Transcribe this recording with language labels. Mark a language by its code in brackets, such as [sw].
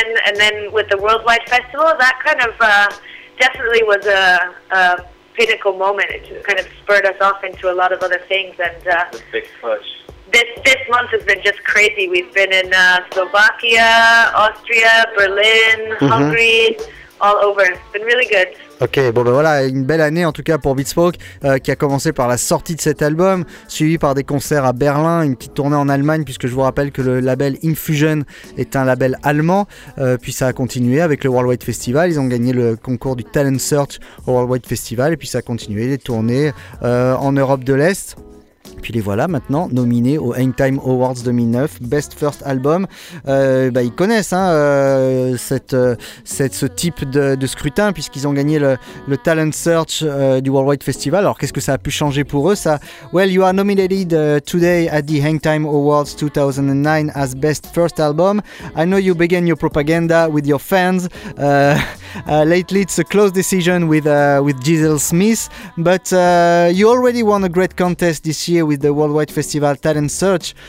[en] And then with the Worldwide Festival, that kind of definitely was a pinnacle moment. It kind of spurred us off into a lot of other things. And a big push. This month has been just crazy. We've been in Slovakia, Austria, Berlin, mm-hmm. Hungary, all over. It's been really good. [fr] Ok, bon ben voilà, une belle année en tout cas pour Beatspoke, qui a commencé par la sortie de cet album, suivi par des concerts à Berlin, une petite tournée en Allemagne, puisque je vous rappelle que le label Infusion est un label allemand, puis ça a continué avec le Worldwide Festival, ils ont gagné le concours du Talent Search au Worldwide Festival, et puis ça a continué les tournées en Europe de l'Est. Puis les voilà maintenant nominés au Hangtime Awards 2009 Best First Album. Bah ils connaissent hein, ce type de scrutin, puisqu'ils ont gagné le Talent Search du Worldwide Festival. Alors qu'est-ce que ça a pu changer pour eux ça? [en] Well, you are nominated today at the Hangtime Awards 2009 as Best First Album. I know you began your propaganda with your fans. Lately, it's a close decision with Giselle Smith, but you already won a great contest this year with the Worldwide Festival Talent Search.